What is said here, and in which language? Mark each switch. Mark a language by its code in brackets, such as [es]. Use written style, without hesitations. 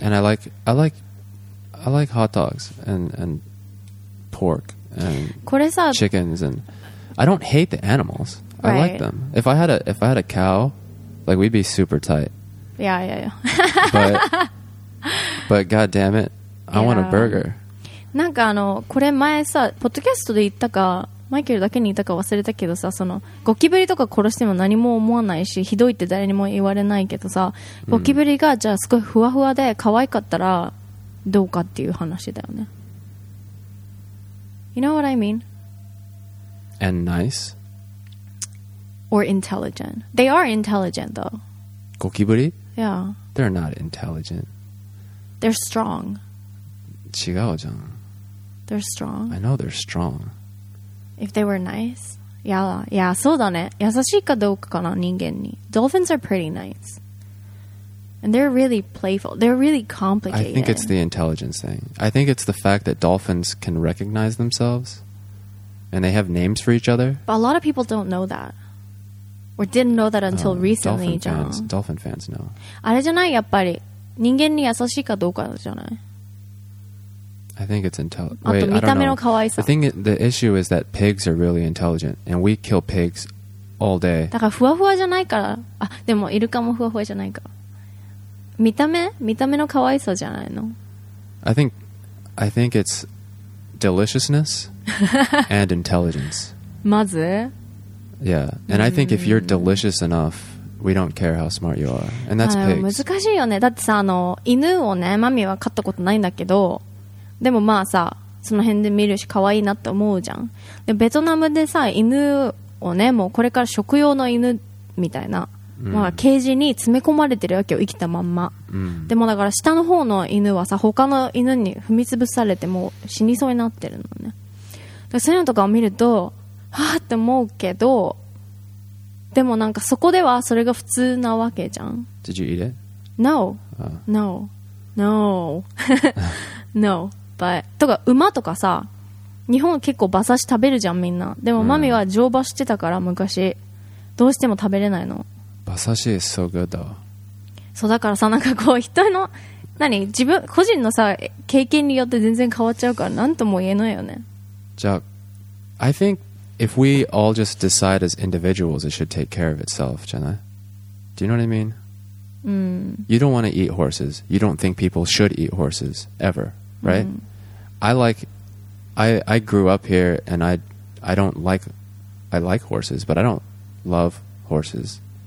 [en] And I like hot dogs and pork and chickens. And I don't hate the animals. Right. I like them. If I had a cow, like we'd be super tight. Yeah, yeah, yeah. but God damn it, I want a burger. [ja] なんかあのこれ前さポッドキャストで言ったかマイケルだけに言ったか忘れたけどさ、そのゴキブリとか殺しても何も思わないし、ひどいって誰にも言われないけどさ、ゴキブリがじゃあすごいふわふわで可愛かったらどうかっていう話だよね。 [en] You know what I mean? And nice? Or intelligent? They are intelligent though. [ja] ゴキブリ? [en] Yeah. They're not intelligent. They're strong. [ja] 違うじゃん。 [en] They're strong. I know they're strong. If they were nice. Yeah, yeah, [ja] そうだね。優しいかどうかかな、人間に。 [en] Dolphins are pretty nice. And they're really playful. They're really complicated. I think it's the intelligence thing. I think it's the fact that dolphins can recognize themselves. And they have names for each other? But a lot of people don't know that. Or didn't know that until recently. Dolphin fans know. [ja] あれじゃない?やっぱり。人間に優しいかどうかじゃない? [en] I think it's intelligent. Wait, [ja] あと見た目のかわいさ。 [en] I think the issue is that pigs are really intelligent. And we kill pigs all day. [ja] だからふわふわじゃないから。あ、でもイルカもふわふわじゃないから。見た目? 見た目のかわいさじゃないの? [en] I think it's deliciousness and intelligence. [ja] まず? [en] Yeah. And I think if you're delicious enough, we don't care how smart you are. And that's pigs. [ja] 難しいよね。だってさ、あの、犬をね、マミは飼ったことないんだけど、でもまあさ、その辺で見るし、かわいいなって思うじゃん。で、ベトナムでさ、犬をね、もうこれから食用の犬みたいな。まあ、ケージに詰め込まれてるわけよ、生きたまんま、うん、でもだから下の方の犬はさ、他の犬に踏みつぶされてもう死にそうになってるのね。だからそういうのとかを見るとはぁって思うけど、でもなんかそこではそれが普通なわけじゃん。 [en] Did you eat it? No. No. No. No. [ja] But とか馬とかさ、日本結構馬刺し食べるじゃんみんな。でもマミは乗馬してたから昔、どうしても食べれないの。 [en] 馬刺し is so good though. [ja] そうだからさ、なんかこう人の何、自分個人のさ経験によって全然変わっちゃうから、なんとも言えないよね。 [en] じゃあ I think if we all just decide as individuals, it should take care of itself, じゃない? Do you know what I mean? You don't want to eat horses. You don't think people should eat horses ever, right? I grew up here and I like horses, but I don't love horses.